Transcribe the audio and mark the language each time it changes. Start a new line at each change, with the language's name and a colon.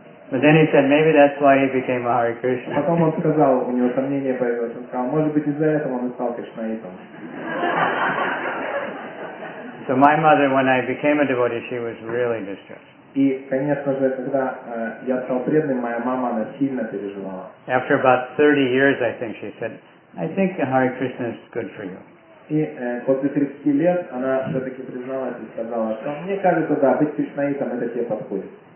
English: But then he said, maybe that's why he became a Hare Krishna.
Russian: Потом он сказал, у него сомнение появилось. Он сказал, может быть из-за этого он и стал кришнаитом.
English: So my mother, when I became a devotee, she was really distressed.
Russian: И, конечно же, когда я стал преданным, моя мама она сильно переживала.
English: After about 30 years, I think she said, I think Hare Krishna is good for you.
Russian: И после 30 лет она все-таки призналась и сказала, что мне кажется, да, быть кришнаитом это тебе подходит.